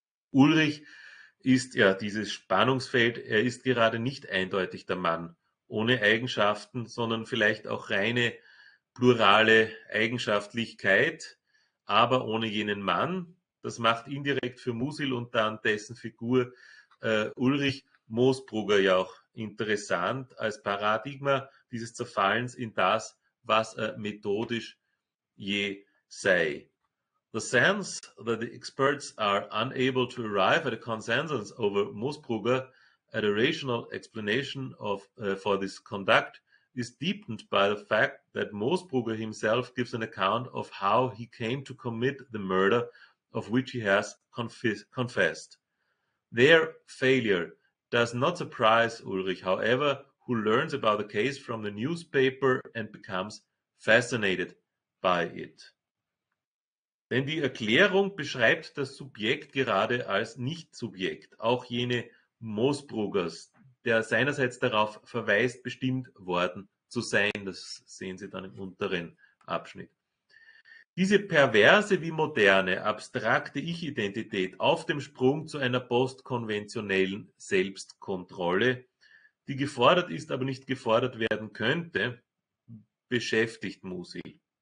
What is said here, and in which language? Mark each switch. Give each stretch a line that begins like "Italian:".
German: Ulrich ist ja dieses Spannungsfeld, er ist gerade nicht eindeutig der Mann ohne Eigenschaften, sondern vielleicht auch reine plurale Eigenschaftlichkeit, aber ohne jenen Mann. Das macht indirekt für Musil und dann dessen Figur Ulrich Moosbrugger ja auch interessant als Paradigma dieses Zerfallens in das, was er methodisch je sei.
English: The sense that the experts are unable to arrive at a consensus over Moosbrugger at a rational explanation of for this conduct is deepened by the fact that Moosbrugger himself gives an account of how he came to commit the murder of which he has confessed. Their failure does not surprise Ulrich, however, who learns about the case from the newspaper and becomes fascinated by it.
German: Denn die Erklärung beschreibt das Subjekt gerade als Nicht-Subjekt, auch jene Moosbruggers, der seinerseits darauf verweist, bestimmt worden zu sein. Das sehen Sie dann im unteren Abschnitt. Diese perverse wie moderne, abstrakte Ich-Identität auf dem Sprung zu einer postkonventionellen Selbstkontrolle, die gefordert ist, aber nicht gefordert werden könnte, beschäftigt Musil.